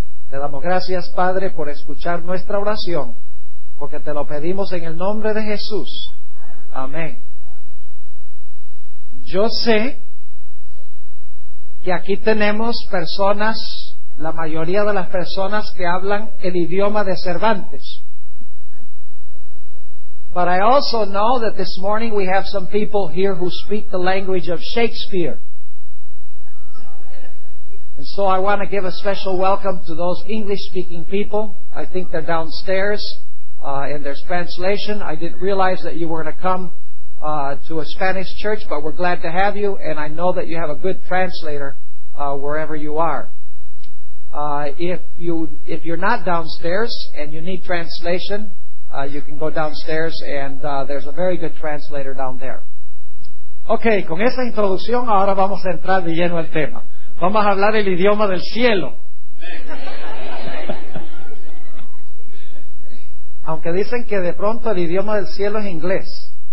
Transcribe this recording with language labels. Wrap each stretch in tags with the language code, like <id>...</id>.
<es>Te damos gracias, Padre, por escuchar nuestra oración, porque te lo pedimos en el nombre de Jesús. Amén. Yo sé que aquí tenemos personas, la mayoría de las personas que hablan el idioma de Cervantes.</es> <en>But I also know that this morning we have some people here who speak the language of Shakespeare. And so I want to give a special welcome to those English-speaking people. I think they're downstairs in their translation. I didn't realize that you were going to come to a Spanish church, but we're glad to have you, and I know that you have a good translator wherever you are. If you're not downstairs and you need translation, you can go downstairs, and there's a very good translator down there.</en> <es>Okay, con esa introducción, ahora vamos a entrar de lleno al tema. Vamos a hablar el idioma del cielo. Aunque dicen que de pronto el idioma del cielo es inglés.</es>